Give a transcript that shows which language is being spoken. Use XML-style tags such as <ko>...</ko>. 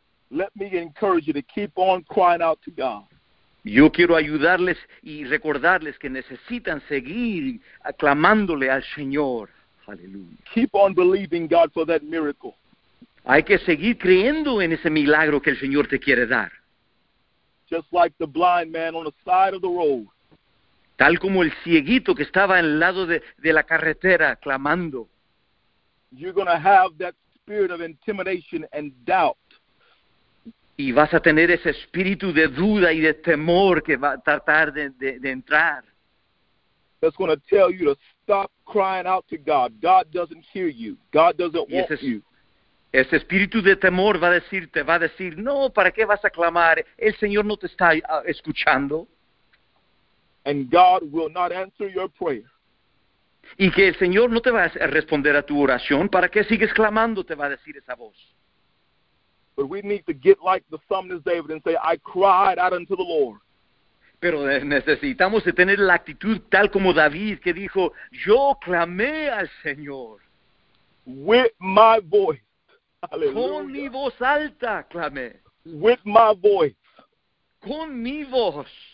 <en>Let me encourage you to keep on crying out to God.</en> <es>Yo quiero ayudarles y recordarles que necesitan seguir aclamándole al Señor. Aleluya.</es> <en>Keep on believing God for that miracle.</en> <es>Hay que seguir creyendo en ese milagro que el Señor te quiere dar.</es> <en>Just like the blind man on the side of the road.</en> <es>Tal como el cieguito que estaba al lado de la carretera clamando.</es> <en>You're going to have that spirit of intimidation and doubt.</en> <es>Y vas a tener ese espíritu de duda y de temor que va a tratar de entrar.</es> <en>That's going to tell you to stop crying out to God. God doesn't hear you. God doesn't want you.</en> <es>Ese espíritu de temor va a decir, no, ¿para qué vas a clamar? El Señor no te está escuchando.</es> <en>And God will not answer your prayer.</en> <es>Y que el Señor no te va a responder a tu oración. ¿Para qué sigues clamando? Te va a decir esa voz.</es> <en>But we need to get like the psalmist David and say, I cried out unto the Lord.</en> <es>Pero necesitamos de tener la actitud tal como David que dijo, yo clamé al Señor.</es> <en>With my voice. Hallelujah.</en> <es>Con mi voz alta clamé.</es> <en>With my voice.</en> <es>Con mi voz.</es>